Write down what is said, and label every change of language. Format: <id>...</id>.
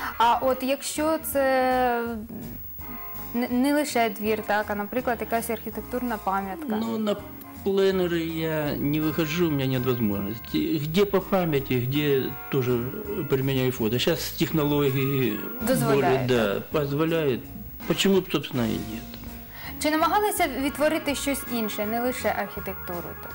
<uk>А от якщо це не лише двір, так, а, наприклад, якась архітектурна пам'ятка?</uk> <ru>Ну, на пленеры я не выхожу, у меня нет возможности. Где по памяти, где тоже применяю фото. Сейчас технологии</ru> <uk>дозволяют.</uk> <ru>Да, позволяют. Почему б, собственно, и нет.</ru> <uk>Чи намагалися відтворити щось інше, не лише архітектуру?</uk>